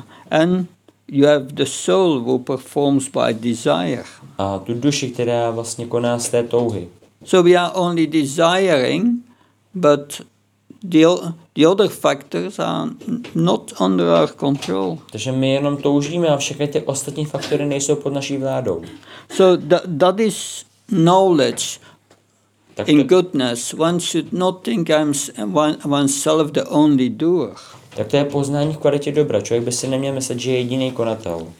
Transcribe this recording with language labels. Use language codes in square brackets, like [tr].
[en] And you have the soul who performs by desire. [cs] A tu duši, která vlastně koná z té touhy. [en] So we are only desiring, but the other factors are not under our control. [cs] Takže my jenom toužíme a všechny ty ostatní faktory nejsou pod naší vládou. [en] So that is knowledge. In goodness, one should not think I'm oneself the only doer. [cs] Tak to je poznání v kvalitě dobra. Člověk by si neměl myslet, že je jediný konatel.